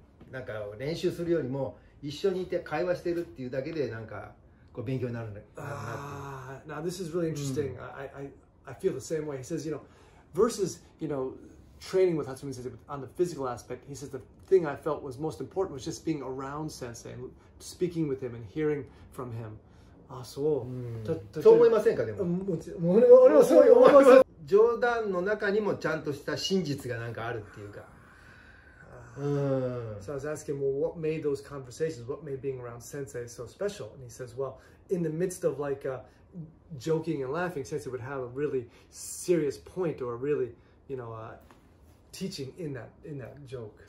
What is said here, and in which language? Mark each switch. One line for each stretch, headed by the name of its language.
Japanese: なんか練習するよりも一緒にいて会話してるっていうだけでなんかこう勉強になるんだ。
English: Ah, now this is really interesting. I feel the same way. He says, you know, versus, you know, training with Hatsumi Sensei on the physical aspect, he says the thing I felt was most important was just being around Sensei and speaking with him and hearing from him. Ah, so.
Japanese: そう思いませんかでも。もちろん、俺もそう思います。冗談の中にもちゃんとした真実がなんかあるっていうか。
English: So I was asking, well, what made those conversations, what made being around Sensei so special? And he says, well, in the midst of like joking and laughing, Sensei would have a really serious point or a really, you know, teaching in that joke.